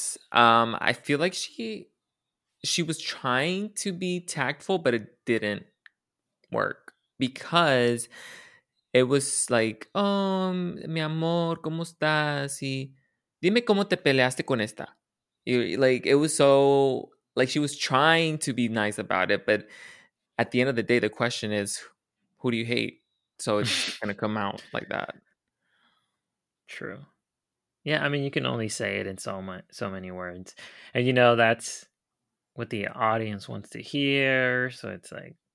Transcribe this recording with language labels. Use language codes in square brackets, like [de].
[en] I feel like she was trying to be tactful, but it didn't work because it was like, [es] mi amor, ¿cómo estás? Y dime cómo te peleaste con esta. [en] Like, it was so, like, she was trying to be nice about it, but at the end of the day, the question is, who do you hate? So it's going to come out like that. True. Yeah, I mean, you can only say it in so many words. And, you know, that's what the audience wants to hear. So it's like,